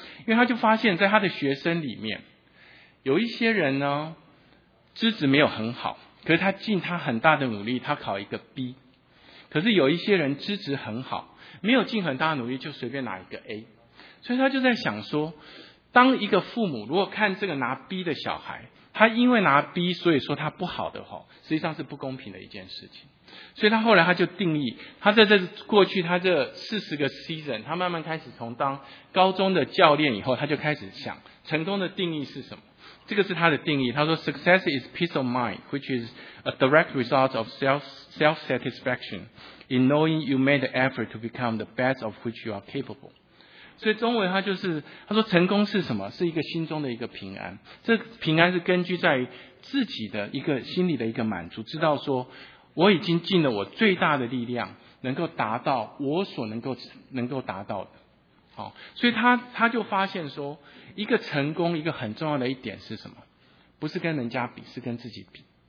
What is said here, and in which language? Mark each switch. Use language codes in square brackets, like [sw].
[zh] 因为他就发现在他的学生里面，有一些人呢，资质没有很好，可是他尽他很大的努力，他考一个 B， 可是有一些人资质很好，没有尽很大的努力，就随便拿一个 A， 所以他就在想说，当一个父母如果看这个拿 B 的小孩，他因为拿 B 所以说他不好的话，实际上是不公平的一件事情。所以他后来他就定义，他在这过去他这40个 season， 他慢慢开始从当高中的教练以后，他就开始想成功的定义是什么。这个是他的定义，他说 [en] Success is peace of mind which is a direct result of self-satisfaction in knowing you made the effort to become the best of which you are capable。 [zh] 所以中文他就是他说成功是什么，是一个心中的一个平安，这平安是根据在自己的一个心里的一个满足，知道说我已经尽了我最大的力量能够达到我所能够达到的。好，所以他就发现说，一个成功一个很重要的一点是什么，不是跟人家比，是跟自己比。